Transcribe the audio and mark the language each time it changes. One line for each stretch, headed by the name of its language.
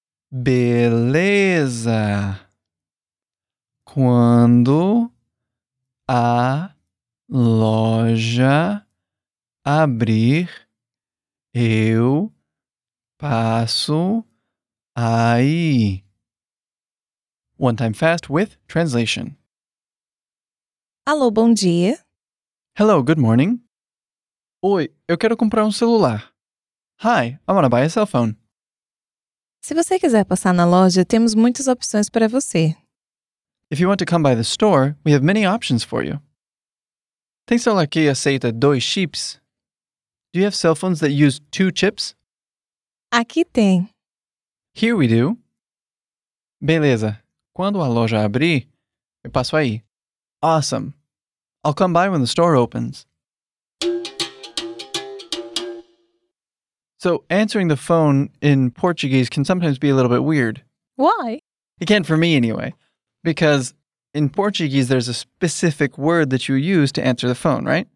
Portuguese: Beleza. Quando a loja abrir, eu passo aí.
English: One time fast with translation.
Portuguese: Alô, bom dia.
English: Hello, good morning.
Portuguese: Oi, eu quero comprar um celular.
English: Hi, I want to buy a cell phone.
Portuguese: Se você quiser passar na loja, temos muitas opções para você.
English: If you want to come by the store, we have many options for you.
Portuguese: Tem celular que aceita dois chips?
English: Do you have cell phones that use two chips?
Portuguese: Aqui tem.
English: Here we do. Beleza.
Portuguese: Quando a loja abrir, eu passo aí.
English: Awesome. I'll come by when the store opens. So, answering the phone in Portuguese can sometimes be a little bit weird. Why? It can for me, anyway. Because in Portuguese, there's a specific word that you use to answer the phone, right?